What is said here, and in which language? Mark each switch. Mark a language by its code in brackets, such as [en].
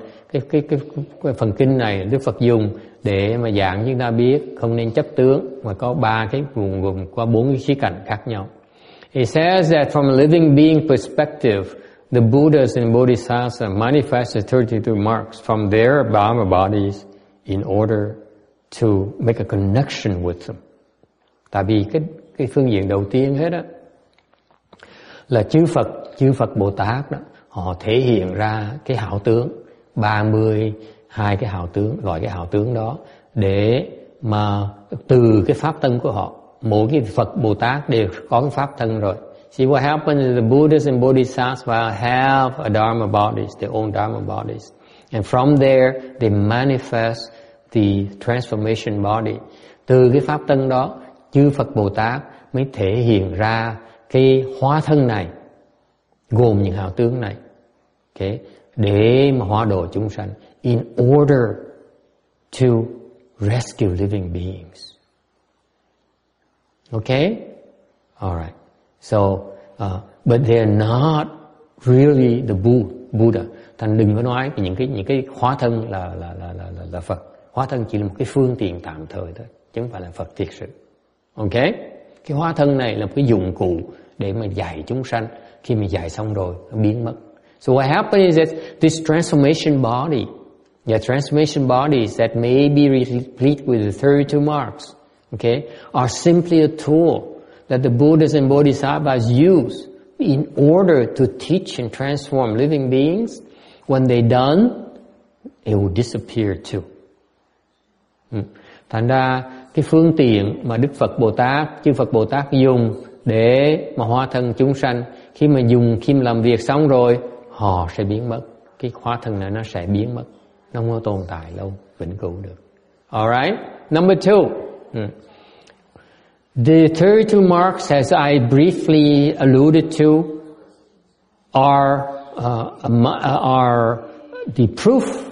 [vi] Cái phần kinh này Đức Phật dùng để mà giảng chúng ta biết không nên chấp tướng, mà có ba cái gồm có bốn cái khía cạnh khác nhau. [en] He says that from a living being perspective, the Buddhas and Bodhisattvas manifest the 32 marks from their Dharma bodies in order to make a connection with them. [vi] Tại vì cái phương diện đầu tiên hết á, là chư Phật Bồ Tát đó, họ thể hiện ra cái hảo tướng, 32 cái hảo tướng, loại cái hảo tướng đó, để mà từ cái pháp thân của họ, mỗi cái Phật Bồ Tát đều có cái pháp thân rồi. [en] See what happens is the Buddhas and Bodhisattvas have a Dharma bodies, their own Dharma bodies. And from there, they manifest the transformation body. [vi] Từ cái pháp thân đó, chư Phật Bồ Tát mới thể hiện ra cái hóa thân này, gồm những hào tướng này, okay, để mà hóa độ chúng sanh, [en] in order to rescue living beings. Okay? Alright. But they're not really the Buddha. [vi] Thành đừng có nói những cái hóa thân là Phật. Hóa thân chỉ là một cái phương tiện tạm thời thôi, chứ không phải là Phật thiệt sự. Okay? Cái hóa thân này là một cái dụng cụ để mà dạy chúng sanh. Khi mình dạy xong rồi, nó biến mất. [en] So what happens is that this transformation body, the transformation bodies that may be replete with the 32 marks, okay, are simply a tool that the Buddhas and Bodhisattvas use in order to teach and transform living beings. When they're done, it will disappear too. [vi] Thành ra, cái phương tiện mà Đức Phật Bồ Tát, chư Phật Bồ Tát dùng để mà hóa thân chúng sanh, khi mà làm việc xong rồi, họ sẽ biến mất. Cái hóa thân này nó sẽ biến mất, nó không có tồn tại lâu, vĩnh cửu được. [en] Alright, number two. The 32 marks, as I briefly alluded to, are the proof